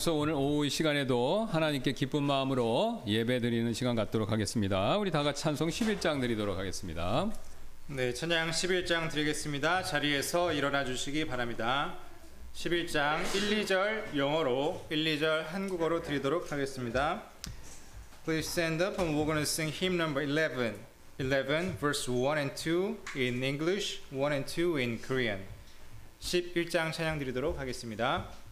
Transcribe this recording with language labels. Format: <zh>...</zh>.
<ko>그래서 오늘 오후 이 시간에도 하나님께 기쁜 마음으로 예배드리는 시간 갖도록 하겠습니다. 우리 다 같이 찬송 11장 드리도록 하겠습니다. 네, 찬양 11장 드리겠습니다. 자리에서 일어나 주시기 바랍니다. 11장 1, 2절 영어로, 1, 2절 한국어로 드리도록 하겠습니다.</ko> <en>Please stand up and we're going to sing hymn number 11. 11 verse 1 and 2 in English, 1 and 2 in Korean.</en> <ko>11장 찬양 드리도록 하겠습니다.</ko>